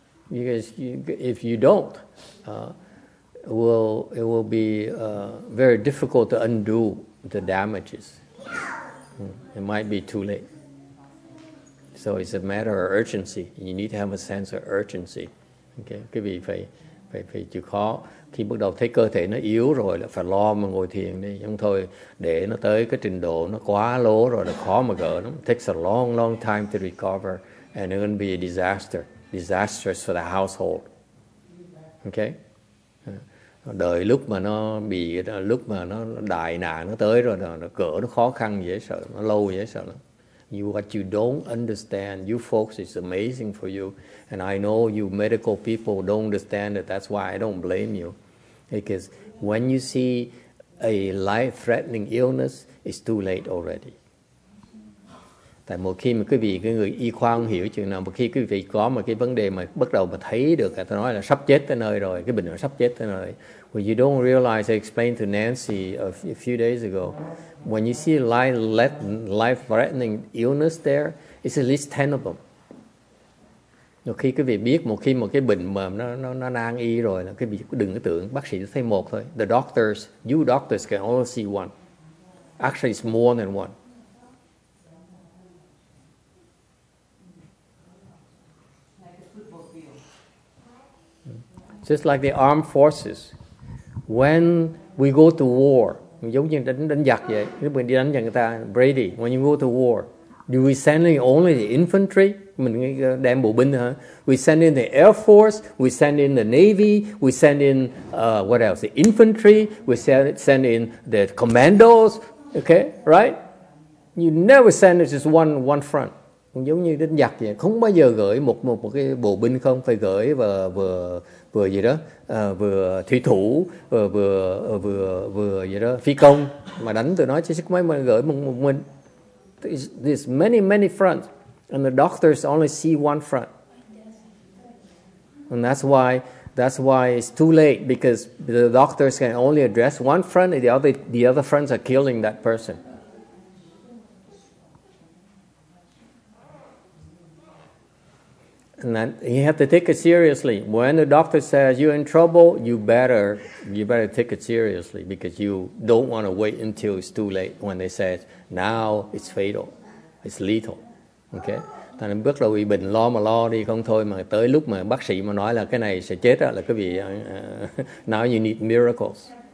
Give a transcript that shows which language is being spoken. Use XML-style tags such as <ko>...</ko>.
<en>Because if you don't, it will be very difficult to undo the damages. It might be too late. So it's a matter of urgency. You need to have a sense of urgency. Okay, could be</en> <vi>phải chịu khó. Khi bắt đầu thấy cơ thể nó yếu rồi là phải lo mà ngồi thiền đi. Không thôi để nó tới cái trình độ nó quá lố rồi là khó mà gỡ lắm.</vi> <en>It takes a long, long time to recover and it's going to be a disaster. Disastrous for the household. Okay?</en> <vi>Đợi lúc mà nó bị, lúc mà nó đại nạn nó tới rồi là nó cỡ nó khó khăn dễ sợ, nó lâu dễ sợ lắm.</vi> <en>What you don't understand, you folks, it's amazing for you. And I know you medical people don't understand it. That's why I don't blame you. Because when you see a life-threatening illness, it's too late already.</en> <vi>Tại một khi mà quý vị, cái người y khoa không hiểu chuyện nào, một khi quý vị có một cái vấn đề mà bắt đầu mà thấy được, ta nói là sắp chết tới nơi rồi, cái bệnh nó sắp chết tới nơi.</vi> <en>Well, you don't realize, I explained to Nancy a few days ago, when you see life-threatening illness there, it's at least 10 of them.</en> <vi>Khi quý vị biết một khi một cái bệnh mà nó nan y rồi, là quý vị đừng có tưởng bác sĩ thấy một thôi.</vi> <en>The doctors, you doctors can only see one. Actually, it's more than one. Just like the armed forces, when we go to war,</en> <vi>giống như đánh giặc vậy, cái bệnh đi đánh giặc người ta,</vi> <en>Brady, when you go to war, do we send in only the infantry?</en> <vi>Mình đem bộ binh hả?</vi> <en>We send in the air force, we send in the navy, we send in what else? The infantry, we send in the commandos, okay, right? You never send it just one front.</en> <vi>Giống như đánh giặc vậy, không bao giờ gửi một cái bộ binh không, phải gửi và vừa gì đó, vừa thủy thủ, vừa gì đó, phi công mà đánh tụi nó chứ không mấy mình gửi một mình.</vi> <en>There's many many fronts, and the doctors only see one front, and that's why it's too late, because the doctors can only address one front, and the other fronts are killing that person. And then you have to take it seriously. When the doctor says you're in trouble, you better take it seriously, because you don't want to wait until it's too late when they say, now it's fatal, it's lethal. Okay?</en> <vi>Thành ra bước đầu bị bệnh lo mà lo đi không thôi, mà tới lúc mà bác sĩ mà nói là cái này sẽ chết đó, là quý vị</vi> <en>now you need miracles.</en>